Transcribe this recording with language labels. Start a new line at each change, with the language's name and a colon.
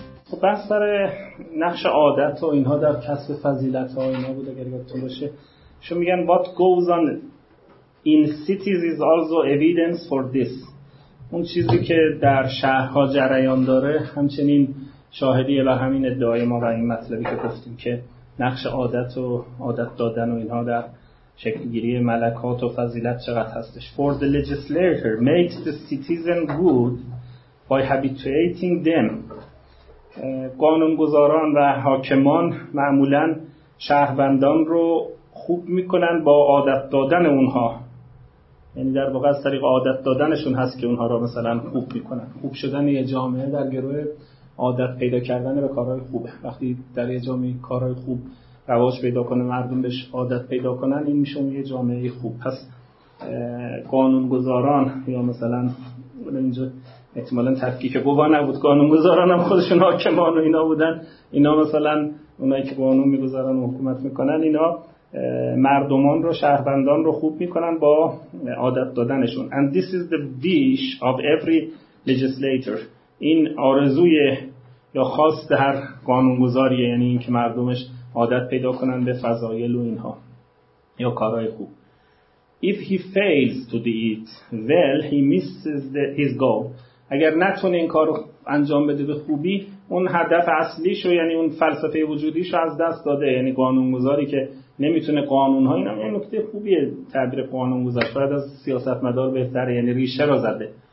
Persian: خب بحث سر نقش عادت و اینها در کسب فضیلت ها اینها بود، اگر یادتون باشه شو میگن
English: what goes on in cities is also evidence for this.
Persian: اون چیزی که در شهرها جریان داره همچنین شاهدی الی همین ادعای ما و این مطلبی که گفتیم که نقش عادت و عادت دادن و اینها در شکل گیری ملکات و فضیلت چقدر هستش.
English: For the legislator makes the citizen good by habituating them.
Persian: قانونگذاران و حاکمان معمولا شهروندان رو خوب میکنن با عادت دادن اونها، یعنی در واقع از طریق عادت دادنشون هست که اونها را مثلا خوب میکنن. خوب شدن یه جامعه در گروه عادت پیدا کردن به کارهای خوبه. وقتی در یه جامعه کارهای خوب رواج پیدا کنه، مردم بهش عادت پیدا کنن، این میشه یه جامعه خوب. پس قانونگذاران یا مثلا اینجا احتمالا تفکیک گوا نبود، قانونگذاران هم خودشون حاکمان و اینا بودن، اینا مثلا اونایی که قانون میگذارن و حکومت میکنن، اینا مردمان رو شهروندان رو خوب میکنن با عادت دادنشون.
English: And this is the wish of every legislator.
Persian: این آرزوی یا خواست هر قانونگذاریه، یعنی این که مردمش عادت پیدا کنن به فضایل و اینها یا کارهای خوب.
English: If he fails to do it well, he misses his goal.
Persian: اگر نتونه این کار رو انجام بده به خوبی، اون هدف اصلیشو یعنی اون فلسفه وجودیشو از دست داده، یعنی قانونگذاری که نمیتونه قانون‌ها اینا، یه نکته خوبیه تعبیر قانون‌گذار، شاید از سیاستمدار بهتره، یعنی ریشه را زده.